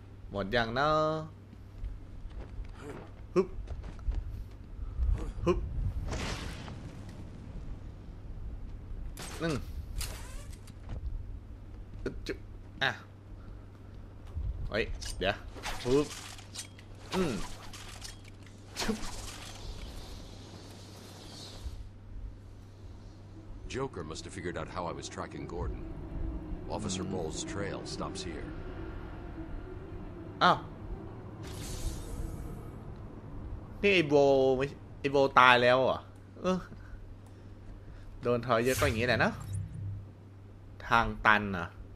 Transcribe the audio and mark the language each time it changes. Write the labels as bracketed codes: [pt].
[en] หมดอย่างเนอะฮึบฮึบนึ่งจุอ่ะเฮ้ยเดี๋ยวฮึบอืมชุบ Joker must have figured out how I was tracking Gordon. Officer Ball's trail stops here. [th] อ้าวนี่ไอ้โบไอ้โบตายแล้วเหรอโดนทอยเยอะก็อย่างนี้แหละเนาะทางตันเหรอ